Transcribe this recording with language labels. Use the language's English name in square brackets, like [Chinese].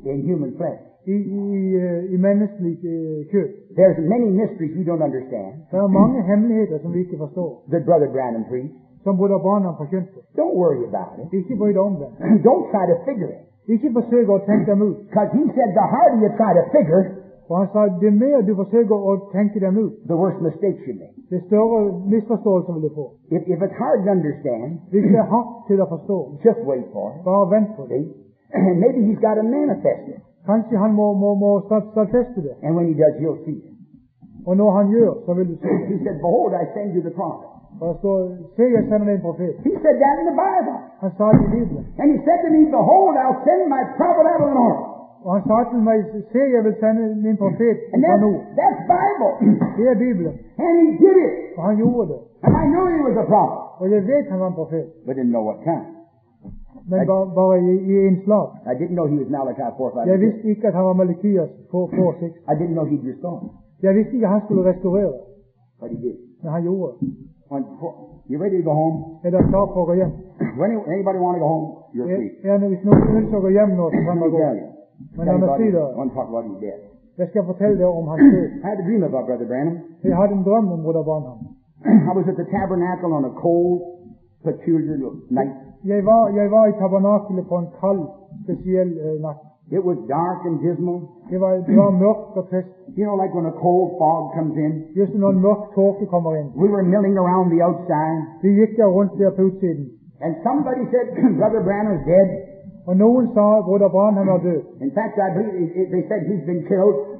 [English] In human flesh. [Norwegian] I menneskelig kjød. [English] There's many mysteries we don't understand. [Norwegian] Der mange hemmeligheter som vi ikke forstår. [English] That Brother Branham preached. [Norwegian] Som Brother Branham forkynte. [English] Don't worry about it. [Norwegian] Ikke bry deg om det. [English] Don't try to figure it. [Norwegian] Ikke forsøke å tenke dem ut. [English] Because he said the harder you try to figure. [Norwegian] For han sa, det mer du forsøker å tenke dem ut. [English] The worst mistakes you make. [Norwegian] Det større misforståelse vil du få. [English] If it's hard to understand. [Norwegian] Hvis det hardt til å forstå. [English] Just wait for it. [Norwegian] Bare vent for det. [English] Maybe he's got to manifest it. [Norwegian] Kanskje han må stadfeste det. [English] And when he does, you'll see it. [Norwegian] Og når han gjør, så vil du se [English] det. He said, behold, I send you the prophet. [Norwegian] Og så sier jeg sender deg en profet. [English] He said that in the Bible. [Norwegian] Han sa det i Bibelen. [English] And he said to me, behold, I'll send my prophet out of the north. [Norwegian] Og han sa til meg, sier jeg vil sende min profet i Kanu. [English] And that's Bible. [Norwegian] Det Bibelen. [English] And he did it. [Norwegian] Og han gjorde det. [English] And I knew he was a prophet. [Norwegian] Og jeg vet han var en profet. [English] But didn't know what time. [Norwegian] Men bare I en slag. [English] I didn't know he was Malachi 4:5. [Norwegian] Jeg visste ikke at han var Malachias 4:6. [English] I didn't know he'd restore. [Norwegian] Jeg visste ikke at han skulle restaurere. [English] But he did. [Norwegian] Men han gjorde. [English] You ready to go home? [Norwegian] Er du klar for å gå hjem? [English] Anybody want to go home? You're free. [Norwegian] Ja, men hvis noen ønsker å gå hjem nå, så kan man gå. Men han sier det. [English] I want to talk about his death. [Norwegian] Jeg skal fortelle deg om hans død. [English] I had a dream about Brother Branham. [Norwegian] Jeg hadde en drøm om Brother Branham. [English] I was at the tabernacle on a cold, peculiar night. [Norwegian] Jeg var I tabernaklet på en kald, spesiell natt. [English] It was dark and dismal. [Norwegian] Det var mørkt og trist. [English] You know, like when a cold fog comes in. [Norwegian] Just når en mørk tåke kommer inn. [English] We were milling around the outside. [Norwegian] Vi gikk rundt der på utsiden. [English] And somebody said, Brother Branham's dead. [Norwegian] Og noen sa, Brother Branham død. [English] In fact, I believe they said he's been killed.